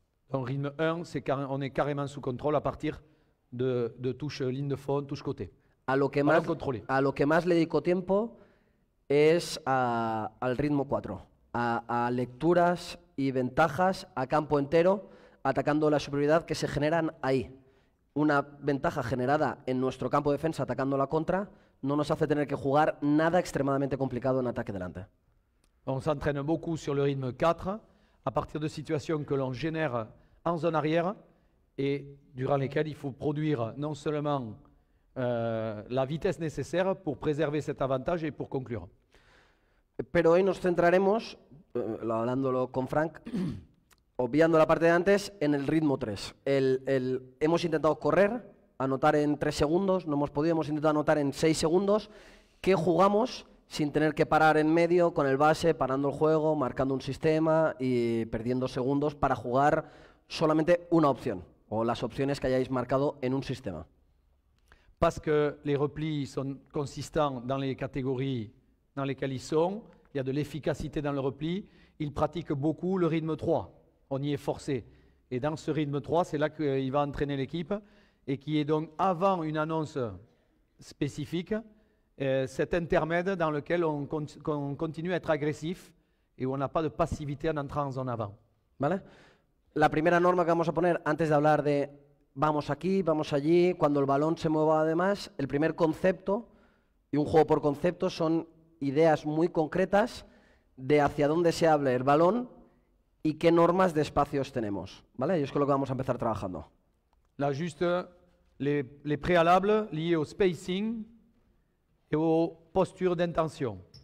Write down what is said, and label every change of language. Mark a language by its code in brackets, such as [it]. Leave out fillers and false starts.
[fr] Donc, rythme 1, c'est quand on est carrément sous contrôle à partir de touche ligne de fond, touche côté. [es] A lo que más le dedico tiempo es al ritmo 4, a lecturas y ventajas a campo entero, atacando la superioridad que se generan ahí. Una ventaja generada en nuestro campo de defensa atacando la contra no nos hace tener que jugar nada extremadamente complicado en ataque delante. [fr] On s'entraîne beaucoup sur le rythme 4, à partir de situations que l'on génère en zone arrière et durant lesquelles il faut produire non seulement la vitesse nécessaire pour préserver cet avantage et pour conclure. [es] Pero hoy nos centraremos, hablándolo con Frank, obviando la parte de antes, en el ritmo 3. Hemos intentado correr, anotar en 3 segundos, no hemos podido, hemos intentado anotar en 6 segundos, que jugamos sin tener que parar en medio con el base, parando el juego, marcando un sistema y perdiendo segundos para jugar solamente una opción o las opciones que hayáis marcado en un sistema. [fr] Parce que les replis sont consistants dans les catégories dans lesquelles ils sont, il y a de l'efficacité dans le repli, ils pratiquent beaucoup le rythme 3, on y est forcé. Et dans ce rythme 3, c'est là qu'il va entraîner l'équipe et qui est donc avant une annonce spécifique, cet intermède dans lequel on continue à être agressif et où on n'a pas de passivité en entrant en zone avant. Voilà. La première norme [es] que vamos a poner antes de hablar de vamos aquí, vamos allí, cuando el balón se mueva además, el primer concepto, y un juego por concepto, son ideas muy concretas de hacia dónde se abre el balón y qué normas de espacios tenemos, ¿vale? Y es con lo que vamos a empezar trabajando. [fr] La juste, les préalables liés au spacing et aux postures d'intention.